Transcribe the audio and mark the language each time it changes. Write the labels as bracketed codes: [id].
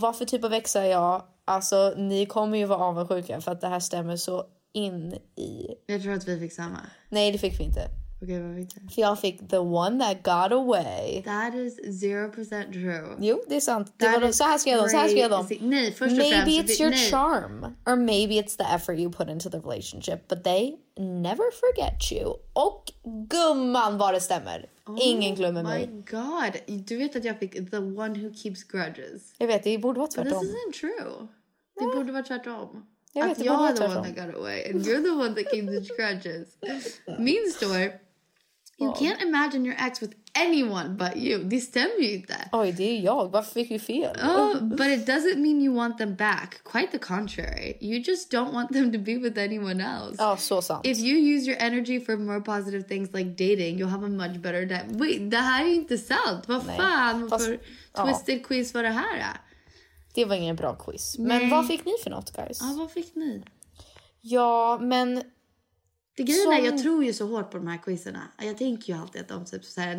[sv] Vad för typ av ex är jag? Alltså, ni kommer ju vara avundsjuka för att det här stämmer så in i... Jag tror att vi fick samma. Nej, det fick vi inte. Okej, vad fick vi? För jag fick [en] the one that got away. That is 0% true. [sv] Jo, det är sant. Det var så här skrev de, så här skrev de. Nej, först och främst. [en] Maybe it's your charm. Or maybe it's the effort you put into the relationship. But they never forget you. [sv] Och gumman vad det stämmer. Oh, ingen glömmer mig. [en] Oh my god. [sv] Du vet att jag fick [en] the one who keeps grudges. [sv] Jag vet, det borde vara tvärtom. [en] But this isn't true. [sv] Det borde vara tvärtom. Jag vet, att jag är [en] the one that got away. And you're the one that came to scratches. [sv] Min story. [en] You can't imagine your ex with anyone but you. [sv] Det stämmer ju inte. Oj, det är jag. Varför fick du fel? [en] But it doesn't mean you want them back. Quite the contrary. You just don't want them to be with anyone else. [sv] Oh, så sant. [en] If you use your energy for more positive things like dating, you'll have a much better time. Wait, [sv] det här är inte sant. Vad fan? För twisted quiz var det här? Det var ingen bra quiz. Men nej. Vad fick ni för något, guys? Ja, vad fick ni? Ja, men... Det grejen är, jag tror ju så hårt på de här quizerna. Jag tänker ju alltid att de typ såhär...